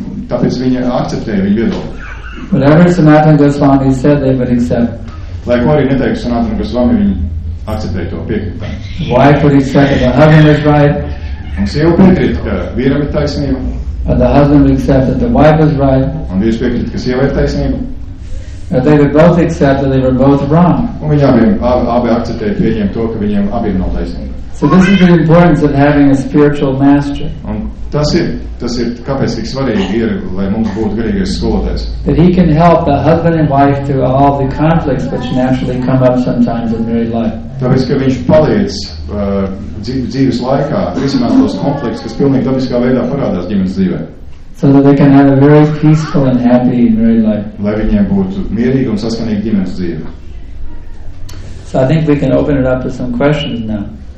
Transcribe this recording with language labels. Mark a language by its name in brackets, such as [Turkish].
[Latvian] Tāpēc viņi akceptēja viņu viedokli. [English] Whatever Sanatana Goswami said, they would accept. [Latvian] Lai ko arī neteiktu Sanatana Goswami, viņi akceptēja to piekritumu. [English] Wife would accept that the husband is right. [Latvian] Un sieva piekrit, ka vīram ir taisnība. [English] But the husband would accept that the wife is right. [Latvian] Un vīrs piekrit, ka sieva ir taisnība. [English] And they would both accept that they were both wrong. [Latvian] Un viņi abi akceptēja pieņem to, ka viņiem abiem nav taisnība. [English] So this is the importance of having a spiritual master. [Latvian] Un tas ir kāpēc tik svarīgi ir, lai mums būtu garīgais skolotājs. [English] That he can help the husband and wife through all the conflicts which naturally come up sometimes in married life. [Latvian] Tāpēc, ka viņš palīdz dzīves laikā risināt tos konflikts, kas pilnīgi dabiskā veidā parādās ģimenes dzīvē. [English] So that they can have a very peaceful and happy married life. [Latvian] Lai viņiem būtu mierīga un saskanīga ģimenes dzīve. [English] So I think we can open it up to some questions now.